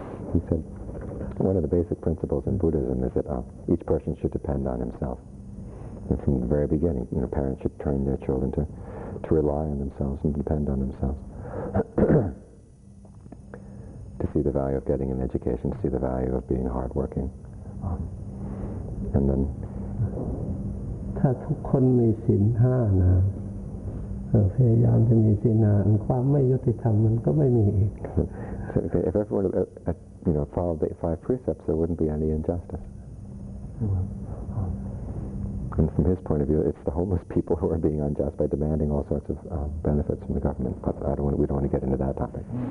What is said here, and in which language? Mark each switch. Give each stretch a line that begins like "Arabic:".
Thai: ที่สุด
English: One of the basic principles in Buddhism is that each person should depend on himself. And from the very beginning, you know, parents should train their children to rely on themselves and depend on themselves. To see the value of getting an education, to see the value of being hardworking. And then...
Thai: ถ้าทุกคนมีศีลห้านะพยายามจะมีศีลห้าความไม่ยุติธรรมมันก็ไม่มีอีก
English: Okay, if everyone... You know, followed the five precepts, there wouldn't be any injustice. Mm-hmm. And from his point of view, it's the homeless people who are being unjust by demanding all sorts of benefits from the government. But we don't want to get into that topic.